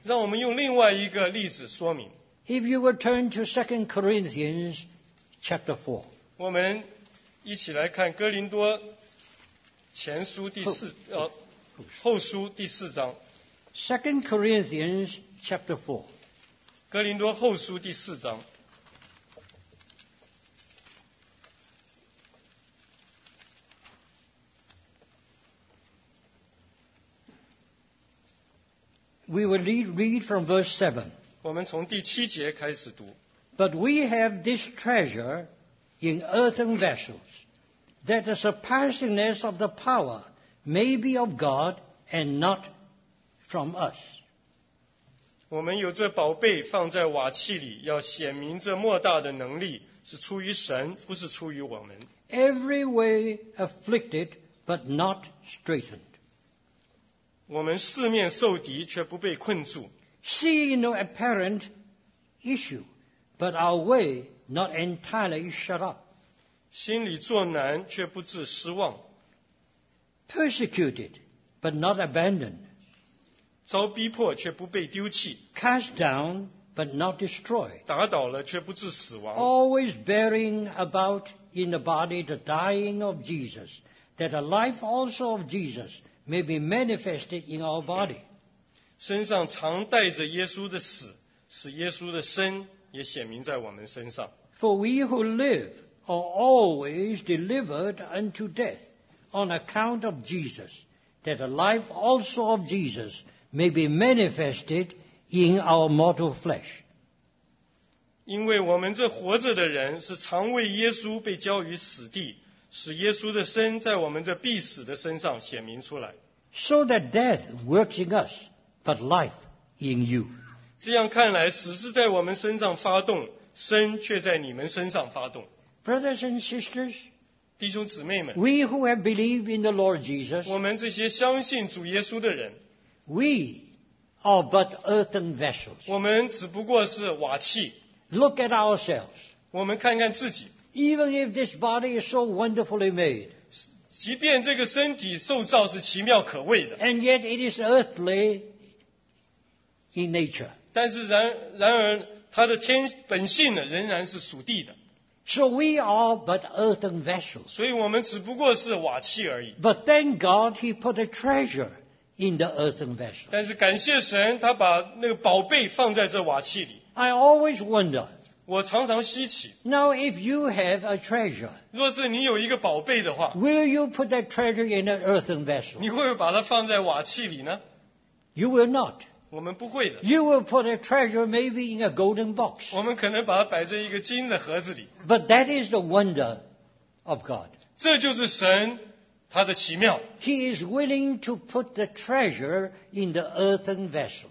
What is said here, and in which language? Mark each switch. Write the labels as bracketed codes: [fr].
[zh] 让我们用另外一个例子说明。 [en] If you will turn to 2 Corinthians chapter 4. [zh] 我们一起来看哥林多前书第四后书第四章。 [en] 2 Corinthians chapter 4. [zh] 哥林多后书第四章。 [en] We will read from verse 7. [zh] 我们从第七节开始读。 [en] But we have this treasure in earthen vessels, that the surpassingness of the power may be of God and not from us. [zh] 我们有这宝贝放在瓦器里，要显明这莫大的能力是出于神，不是出于我们。 [en] Every way afflicted, but not straitened. [zh] 我们四面受敌却不被困住。 [en] See no apparent issue, but our way not entirely shut up. [zh] 心里作难却不致失望。 [en] Persecuted, but not abandoned. [zh] 遭逼迫却不被丢弃。 [en] Cast down, but not destroyed. [zh] 打倒了却不致死亡。 [en] Always bearing about in the body the dying of Jesus, that the life also of Jesus may be manifested in our body. [zh] 身上常带着耶稣的死，使耶稣的生也显明在我们身上。 [en] For we who live are always delivered unto death on account of Jesus, that the life also of Jesus may be manifested in our mortal flesh. [zh] 因为我们这活着的人是常为耶稣被交于死地，使耶稣的身在我们这必死的身上显明出来。 [en] So that death works in us, but life in you. [zh] 这样看来，死是在我们身上发动，生却在你们身上发动。 [en] Brothers and sisters, [zh] 弟兄姊妹们， [en] we who have believed in the Lord Jesus, [zh] 我们这些相信主耶稣的人， [en] we are but earthen vessels. [zh] 我们只不过是瓦器。 [en] Look at ourselves. [zh] 我们看看自己。 [en] Even if this body is so wonderfully made, [zh] 即便这个身体受造是奇妙可畏的， [en] and yet it is earthly in nature. [zh] 但是然而它的天本性呢仍然是属地的。 [en] So we are but earthen vessels. [zh] 所以我们只不过是瓦器而已。 [en] But thank God he put a treasure in the earthen vessel. [zh] 但是感谢神他把那个宝贝放在这瓦器里。 [en] I always wonder, [zh] 我常常稀奇。 [en] Now, if you have a treasure, [zh] 若是你有一个宝贝的话， [en] will you put that treasure in an earthen vessel? [zh] 你会不会把它放在瓦器里呢？ [en] You will not. [zh] 我们不会的。 [en] You will put a treasure maybe in a golden box. [zh] 我们可能把它摆在一个金的盒子里。 [en] But that is the wonder of God. [zh] 这就是神他的奇妙。 [en] He is willing to put the treasure in the earthen vessel.